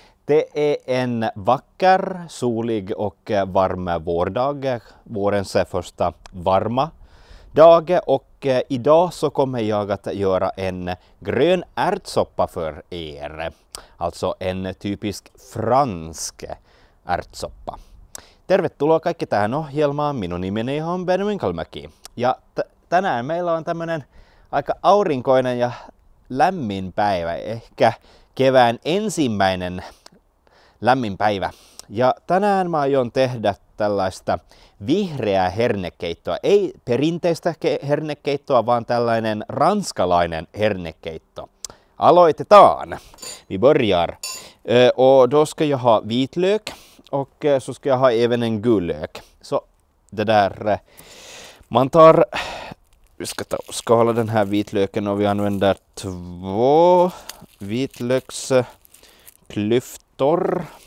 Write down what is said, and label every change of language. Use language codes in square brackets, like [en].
[sv] Det är en vacker, solig och varm vårdag, vårens första varma dag. Och idag så kommer jag att göra en grön ärtsoppa för er. Alltså en typisk fransk ärtsoppa. [fi] Tervetuloa kaikki tähän ohjelmaan. Minun nimeni on Benjamin Kalmäki. Ja tänään meillä on tämmönen aika aurinkoinen ja lämmin päivä, ehkä kevään ensimmäinen lämmin päivä. Ja tänään mä aion tehdä tällaista vihreää hernekeittoa. Ei perinteistä hernekeittoa, vaan tällainen ranskalainen hernekeitto. Aloitetaan! [sv] Vi börjar. Och då ska jag ha vitlök och så ska jag ha även en gul lök. Så det där, man tar... Vi ska skala den här vitlöken och vi använder två vitlöksklyftor.